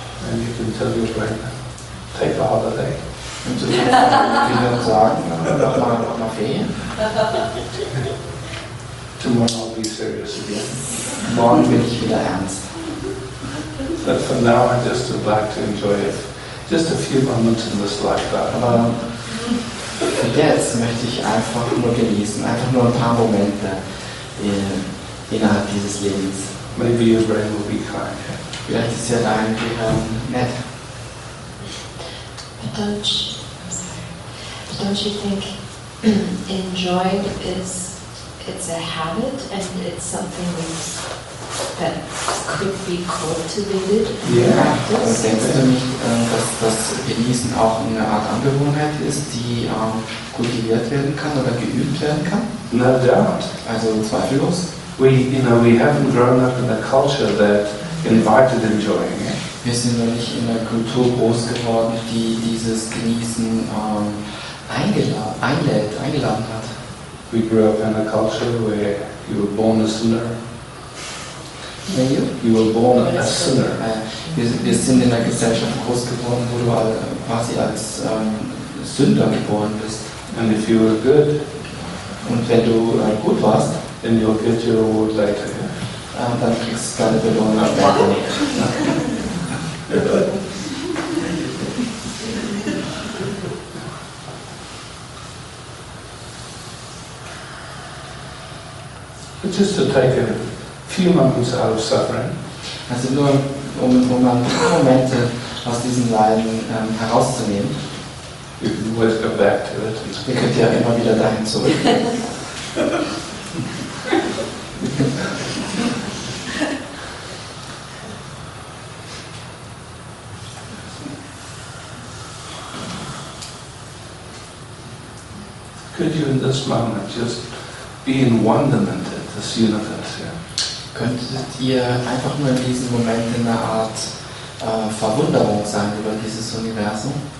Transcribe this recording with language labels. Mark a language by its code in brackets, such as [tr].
[en] And you can tell your brain, take a holiday. [de] Und du kannst dir dann sagen, noch mal Ferien. [en] Tomorrow I'll be serious again. [de] Morgen bin ich wieder ernst. [en] But for now I just would like to enjoy it. Just a few moments in this lifetime. [de] Für jetzt möchte ich einfach nur genießen, einfach nur ein paar Momente innerhalb dieses Lebens. [en] Maybe your brain will be kind. [de] Vielleicht ist ja dein Gehirn nett. [en] But don't you think enjoying it's a habit and it's something that could be cultivated? Yeah. [de] Und denkst du nicht, dass das Genießen auch eine Art Angewohnheit ist, die kultiviert werden kann oder geübt werden kann? [en] No doubt. [de] Also zweifellos. [en] We haven't grown up in a culture that invited enjoying. [de] Wir sind noch nicht in einer Kultur groß geworden, die dieses Genießen eingeladen hat. [en] We grew up in a culture where you were born a sinner. Yeah, you were born a sinner. [de] Wir sind in einer Gesellschaft groß geworden, wo du quasi als Sünder geboren bist. [en] And if you were good, [de] und wenn du gut warst, [en] then you'll get your reward later. [de] Dann kriegst du deine Belohnung am Morgen. [en] But just to take a few moments out of suffering. [de] Also nur um mal ein paar Momente aus diesem Leiden herauszunehmen. [en] You can always go back to it. [de] Ihr könnt ja immer wieder dahin zurück. [en] Could you in this moment just be in wonderment at this universe? Yeah? [de] Könntet ihr einfach nur in diesem Moment in einer Art Verwunderung sein über dieses Universum?